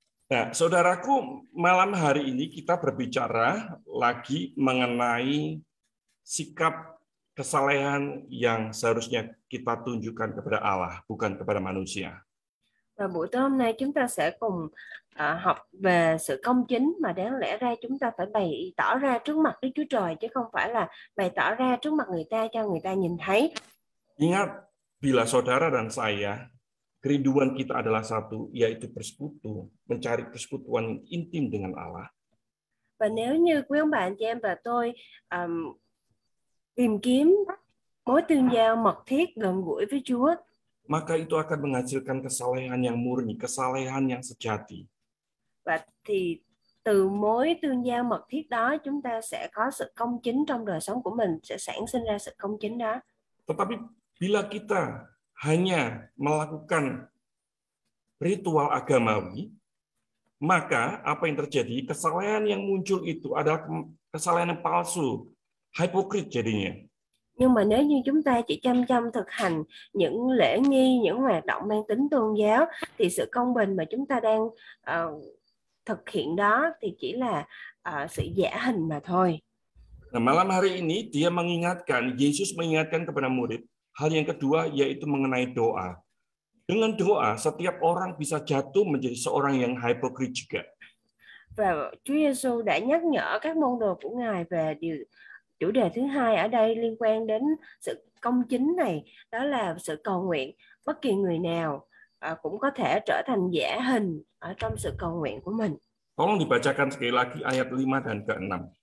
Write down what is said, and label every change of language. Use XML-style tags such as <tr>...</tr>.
<id>Nah, saudaraku, malam hari ini kita berbicara lagi mengenai sikap kesalehan yang seharusnya kita tunjukkan kepada Allah, bukan kepada manusia.</id> <vi>Và buổi tối hôm nay chúng ta sẽ cùng học về sự công chính mà đáng lẽ ra chúng ta phải bày tỏ ra trước mặt Đức Chúa Trời, chứ không phải là bày tỏ ra trước mặt người ta cho người ta nhìn thấy.</vi> <id>Ingat, bila saudara dan saya, kerinduan kita adalah satu, yaitu persekutu, mencari persekutuan intim dengan Allah.</id> <vi>Và nếu như quý ông bà anh chị em và tôi tìm kiếm mối tương giao mật thiết gần gũi với Chúa,</vi> <id>maka itu akan menghasilkan kesalehan yang murni, kesalehan yang sejati.</id> <vi>Và thì từ mối tương giao mật thiết đó, chúng ta sẽ có sự công chính trong đời sống của mình, sẽ sản sinh ra sự công chính đó.</vi> <id>Tetapi bila kita hanya melakukan ritual agamawi, maka apa yang terjadi? Kesalehan yang muncul itu adalah kesalehan yang palsu, hipokrit jadinya.</id> <vi>Nhưng mà nếu như chúng ta chỉ chăm chăm thực hành những lễ nghi, những hoạt động mang tính tôn giáo, thì sự công bình mà chúng ta đang thực hiện đó thì chỉ là sự giả hình mà thôi.</vi> <id>Nah, malam hari ini dia mengingatkan, Yesus mengingatkan kepada murid, hal yang kedua yaitu mengenai doa. Dengan doa, setiap orang bisa jatuh menjadi seorang yang hipokrit juga.</id> <vi>Và Chúa Giêsu đã nhắc nhở các môn đồ của Ngài về điều chủ đề thứ hai ở đây liên quan đến sự công chính này, đó là sự cầu nguyện. Bất kỳ người nào cũng có thể trở thành giả hình ở trong sự cầu nguyện của mình.</vi> <id>Tolong dibacakan sekali lagi ayat 5 dan ke-6.</id>